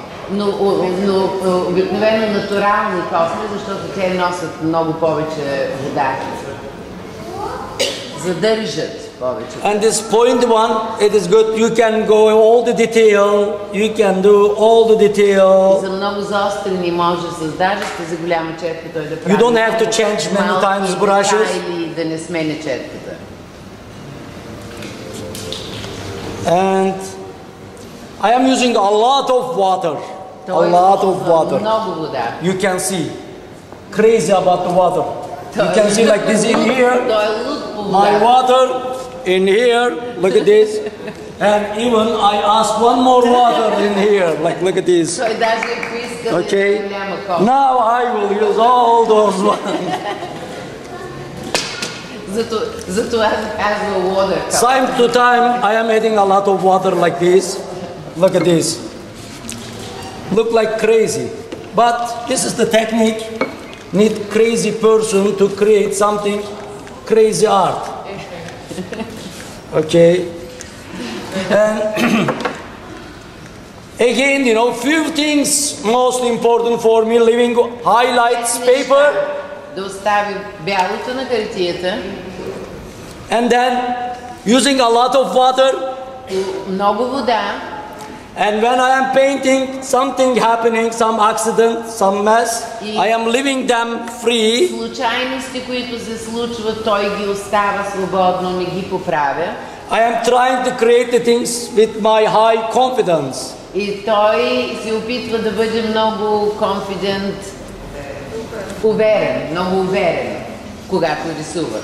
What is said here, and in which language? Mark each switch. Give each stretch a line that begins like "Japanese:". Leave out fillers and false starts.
Bulgarian: Но обикновено натурални косми, защото те носят много повече вода. Задържат повече.
English: And this point one, it is good. You can go all the detail. You can do all the detail.
Bulgarian: За много заострени може с дажите за голяма четка той да прави.
English: You don't have to change many times brushes.
Bulgarian: Или да не сменя четката.
English: And I am using a lot of water. A lot of water. You can see. Crazy about the water. You can see like this in here. My water in here. Look at this. And even I ask one more water in here. Like, look at this. Okay. Now I will use all those ones. Time to time, I am adding a lot of water like this. Look at this. Look like crazy, but this is the technique. Need crazy person to create something crazy art. Okay. And again, you know, few things most important for me. Leaving highlights paper.
Bulgarian: Да остави бялото на картията.
English: And then using a lot of water.
Bulgarian: Много вода.
English: And when I am painting, something happening, some accident, some mess, I am leaving them free.
Bulgarian: Случайности, които се случват, той ги остава свободно, не ги поправя.
English: I am trying to create things with my high confidence.
Bulgarian: И той се опитва да бъде много confident, уверен, много уверен, когато рисува.